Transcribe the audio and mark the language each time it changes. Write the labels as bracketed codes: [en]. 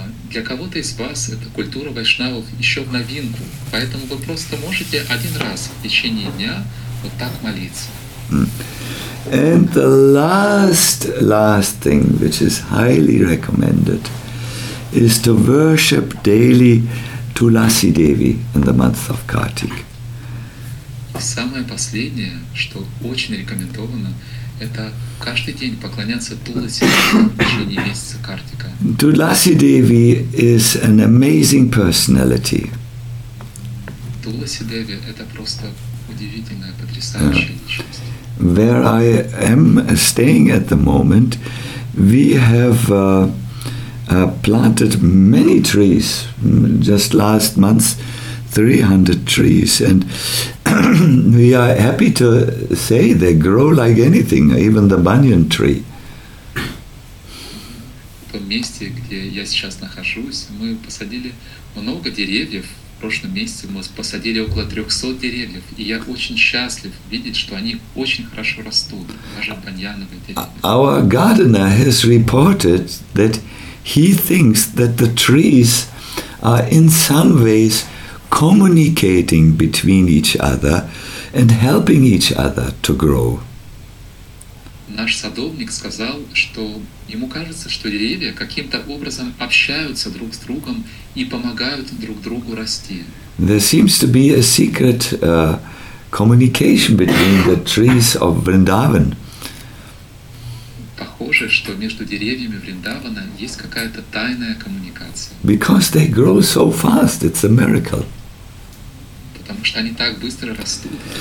[ru] Для кого-то из вас эта культура вайшнавов еще в новинку, поэтому вы просто можете один раз в течение дня вот так молиться. [en] And the last thing, which is highly recommended, is to worship daily Tulasi Devi in the month of Kartik. [ru] Самое последнее, что очень рекомендовано, это каждый день поклоняться Туласи в течение месяца Картика. [en] Tulasi Devi is an amazing personality. [ru] Туласи Деви – это просто удивительная, потрясающая личность. [en] Where I am staying at the moment, we have planted many trees. Just last month, 300 trees, and we are happy to say they grow like anything, even the banyan tree. [ru] В том месте, где я сейчас нахожусь, мы посадили много деревьев. В прошлом месяце мы посадили около 300 деревьев, и я очень счастлив видеть, что они очень хорошо растут, даже баньяновые деревья. [en] Our gardener has reported that he thinks that the trees are in some ways communicating between each other and helping each other to grow. [ru] Наш садовник сказал, что ему кажется, что деревья каким-то образом общаются друг с другом и помогают друг другу расти. [en] There seems to be a secret communication between the trees of Vrindavan. [ru] Похоже, что между деревьями Вриндавана есть какая-то тайная коммуникация. [en] Because they grow so fast, it's a miracle. [ru] Потому что они так быстро растут.